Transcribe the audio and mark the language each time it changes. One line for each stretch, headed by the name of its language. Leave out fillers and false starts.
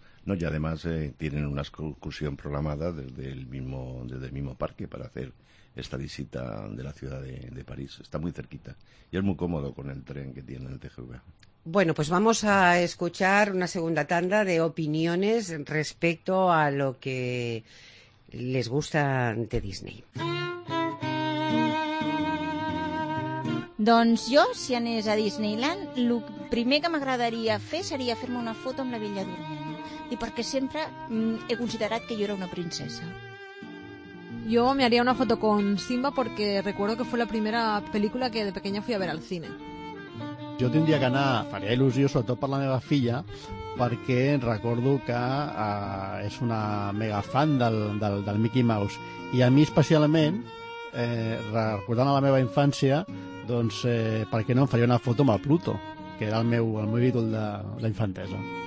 Spanish: No, y además tienen una excursión programada desde el mismo parque para hacer esta visita de la ciudad de París. Está muy cerquita y es muy cómodo con el tren que tiene el TGV. Bueno, pues vamos a escuchar una segunda tanda de opiniones respecto a lo que les gusta de Disney.
Catalan: Doncs jo, si anés a Disneyland, el primer que m'agradaria fer seria fer-me una foto amb la Bella Durmient. I perquè sempre he considerat que jo era una princesa.
Spanish: Yo me haría una foto con Simba porque recuerdo que fue la primera película que de pequeña fui a ver al cine.
Catalan: Jo tindria que anar, faria il·lusió, sobretot per la meva filla, perquè recordo que és una mega fan del Mickey Mouse. I a mi especialment, recordant la meva infància, doncs per què no em faria una foto amb el Pluto, que era el meu ídol de la infantesa.